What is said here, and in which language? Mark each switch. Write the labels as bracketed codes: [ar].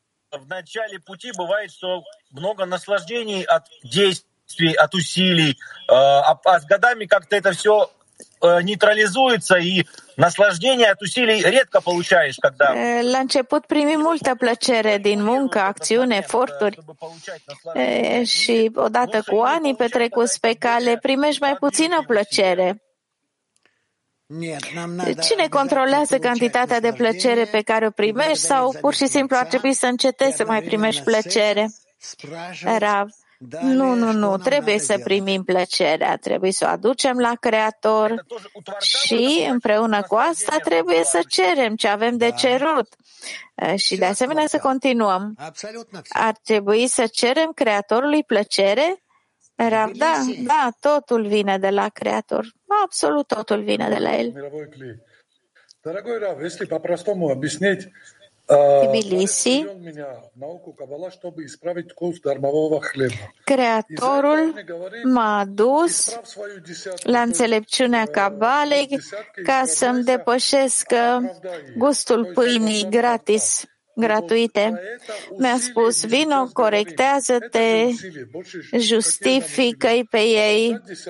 [ru] В начале пути бывает, что много наслаждений от действий, от усилий, а с годами как-то это все нейтрализуется и наслаждение от усилий редко получаешь, когда. [ro] La început primi multă plăcere din muncă, acțiune, eforturi. Și odată cu anii petrecuți pe cale primești mai puțină plăcere. Cine controlează cantitatea de plăcere pe care o primești sau pur și simplu ar trebui să încetezi să mai primești plăcere? Rav, nu, trebuie să primim plăcerea, trebuie să o aducem la Creator și împreună cu asta trebuie să cerem ce avem de cerut. Și de asemenea să continuăm. Ar trebui să cerem Creatorului plăcere? Rav, da, totul vine de la Creator. Absolut totul vine de la El. [ru] Дорогой Рав, если по-простому объяснить, Тбилиси, науку кабала, чтобы исправить вкус дармового хлеба. [ro] Creatorul m-a dus la înțelepciunea cabalei ca să-mi depășesc gustul pâinii gratis. Gratuite. Mi-a spus, vino, corectează-te, justifică-i pe ei.